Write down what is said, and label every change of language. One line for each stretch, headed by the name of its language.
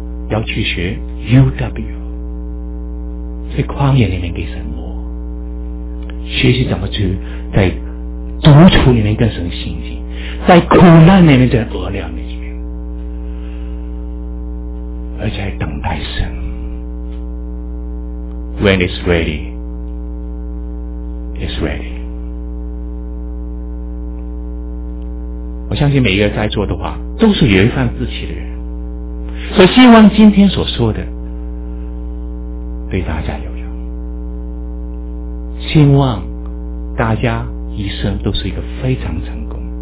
Chinese: 要去学 UW， 在旷野里面给神磨，学习怎么去在独处里面跟神亲近，在苦难里面，在饿了里面，而且还等待神。
English: When it's ready, it's ready。
Chinese: 我相信每一个在座的话都是有一番志气的人，所以希望今天所说的对大家有用，希望大家一生都是一个非常成功。